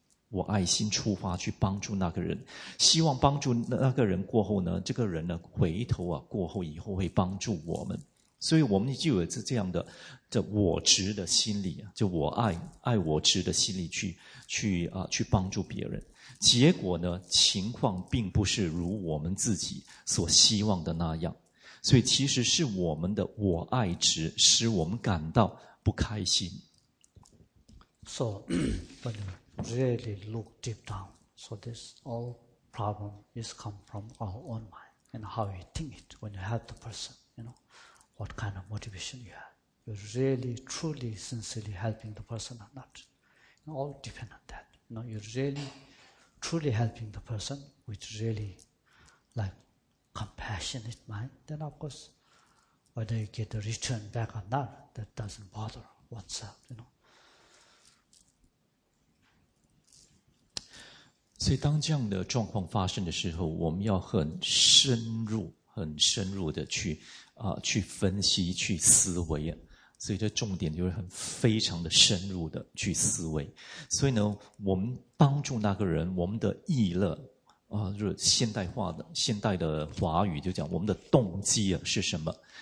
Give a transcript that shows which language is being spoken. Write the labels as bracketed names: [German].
[Chinese] 我爱心出发去帮助那个人，希望帮助那个人过后呢，这个人呢回头啊，过后以后会帮助我们，所以我们就有这样的这我执的心理啊，就我爱爱我执的心理去帮助别人，结果呢情况并不是如我们自己所希望的那样，所以其实是我们的我爱执使我们感到不开心。 [English] So, when you really look deep down, so this all problem is come from our own mind and how you think it when you help the person, you know, what kind of motivation you have. You're really, truly, sincerely helping the person or not. You know, all depend on that. You know, you're really, truly helping the person with really, like, compassionate mind, then of course, whether you get the return back or not, that doesn't bother oneself, you know. [Chinese] 所以当这样的状况发生的时候，我们要很深入、很深入的去分析、去思维。所以这重点就是很非常的深入的去思维。所以呢，我们帮助那个人，我们的意乐啊，就是现代的华语就讲我们的动机啊是什么？